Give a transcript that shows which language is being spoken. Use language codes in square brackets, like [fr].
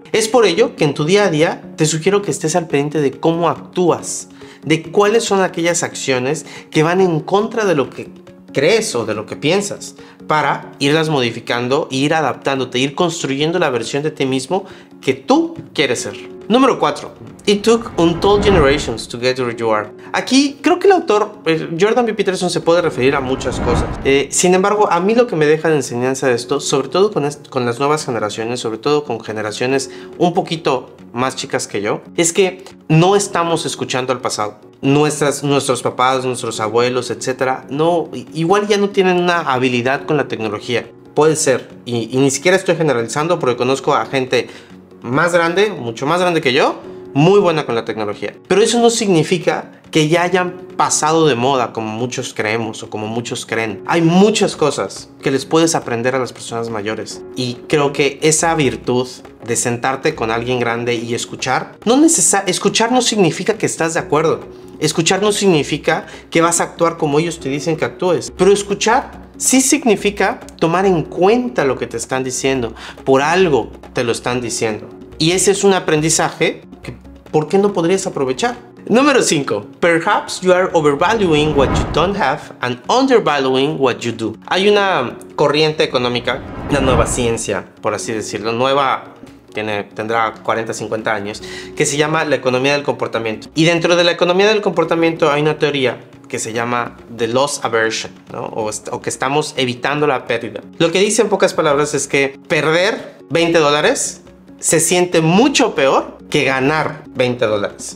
[es] Es por ello que en tu día a día te sugiero que estés al pendiente de cómo actúas, de cuáles son aquellas acciones que van en contra de lo que crees o de lo que piensas, para irlas modificando, ir adaptándote, ir construyendo la versión de ti mismo que tú quieres ser. Número 4. [en] It took untold generations to get where you are. [es] Aquí creo que el autor, Jordan B. Peterson, se puede referir a muchas cosas. Sin embargo, a mí lo que me deja de enseñanza de esto, sobre todo con las nuevas generaciones, sobre todo con generaciones un poquito más chicas que yo, es que no estamos escuchando al pasado. Nuestros papás, nuestros abuelos, etcétera, no, igual ya no tienen una habilidad con la tecnología. Puede ser, y ni siquiera estoy generalizando porque conozco a gente más grande, mucho más grande que yo, muy buena con la tecnología. Pero eso no significa que ya hayan pasado de moda como muchos creemos o como muchos creen. Hay muchas cosas que les puedes aprender a las personas mayores. Y creo que esa virtud de sentarte con alguien grande y escuchar, escuchar no significa que estás de acuerdo. Escuchar no significa que vas a actuar como ellos te dicen que actúes. Pero escuchar sí significa tomar en cuenta lo que te están diciendo. Por algo te lo están diciendo. Y ese es un aprendizaje que, ¿por qué no podrías aprovechar? Número 5. [en] Perhaps you are overvaluing what you don't have and undervaluing what you do. [es] Hay una corriente económica, una nueva ciencia, por así decirlo, tendrá 40, 50 años, que se llama la economía del comportamiento. Y dentro de la economía del comportamiento hay una teoría que se llama the loss aversion, ¿no? O que estamos evitando la pérdida. Lo que dice en pocas palabras es que perder $20 se siente mucho peor que ganar $20.